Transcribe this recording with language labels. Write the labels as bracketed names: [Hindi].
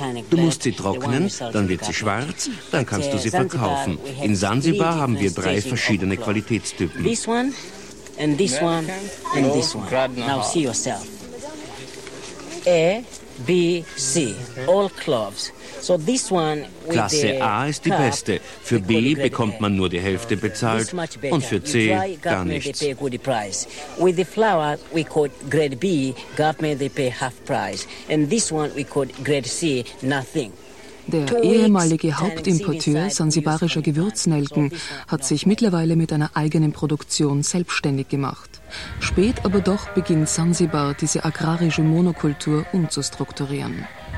[German] Du musst sie trocknen, dann wird sie schwarz, dann kannst du sie verkaufen. In Zanzibar haben wir 3 verschiedene Qualitätstypen. [English] This one, and this one, and this one. Now see yourself. A, B, C, all cloves. So this one with [German] Klasse A ist die beste. Für B bekommt man nur die Hälfte bezahlt und für C gar nichts. [English] With the flour we call grade B, government they pay half price. And this one we call grade C, nothing. [German] Der ehemalige Hauptimporteur sansibarischer Gewürznelken hat sich mittlerweile mit einer eigenen Produktion selbstständig gemacht. Spät aber doch beginnt Sansibar, diese agrarische Monokultur umzustrukturieren.